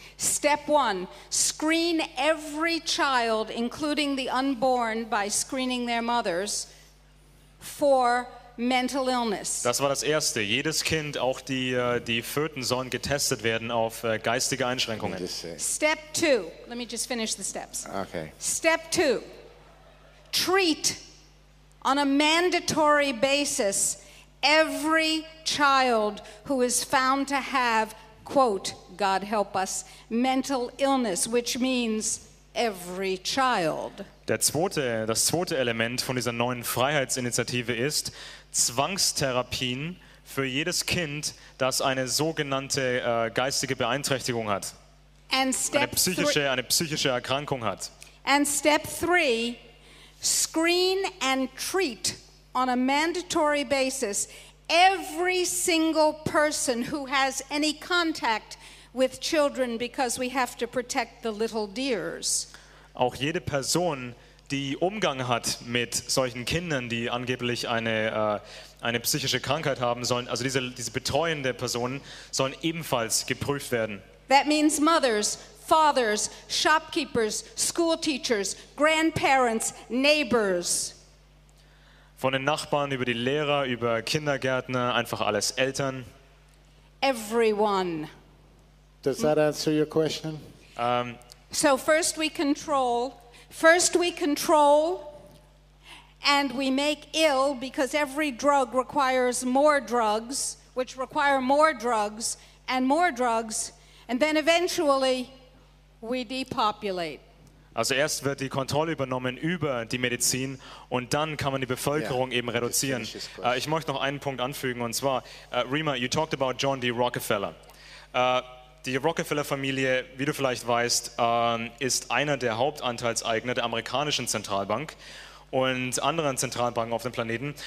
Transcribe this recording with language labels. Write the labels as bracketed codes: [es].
[en] Step 1, screen every child, including the unborn, by screening their mothers for mental illness. [de] Das war das Erste. Jedes Kind, auch die Föten, sollen getestet werden auf geistige Einschränkungen. [en] Step 2, let me just finish the steps. Okay. Step 2. Treat on a mandatory basis every child who is found to have, quote, God help us, mental illness, which means every child. [de] Das zweite Element von dieser neuen Freiheitsinitiative ist Zwangstherapien für jedes Kind, das eine sogenannte geistige Beeinträchtigung hat, eine psychische Erkrankung hat. [en] And step 3, screen and treat on a mandatory basis every single person who has any contact with children, because we have to protect the little dears. [de] Auch jede Person, die Umgang hat mit solchen Kindern, die angeblich eine psychische Krankheit haben sollen, also diese betreuende Personen sollen ebenfalls geprüft werden. [en] That means mothers, fathers, shopkeepers, school teachers, grandparents, neighbors. [de] Von den Nachbarn über die Lehrer, über Kindergärtner, einfach alles, Eltern. [en] Everyone. Does that answer your question? So first we control and we make ill, because every drug requires more drugs, which require more drugs and more drugs, and then eventually we depopulate. [de] Also erst wird die Kontrolle übernommen über die Medizin und dann kann man die Bevölkerung eben reduzieren. Ich möchte noch einen Punkt anfügen, und zwar, Rima, [en] you talked about John D. Rockefeller. [de] Die Rockefeller-Familie, wie du vielleicht weißt, ist einer der Hauptanteilseigner der amerikanischen Zentralbank und anderen Zentralbanken auf dem Planeten.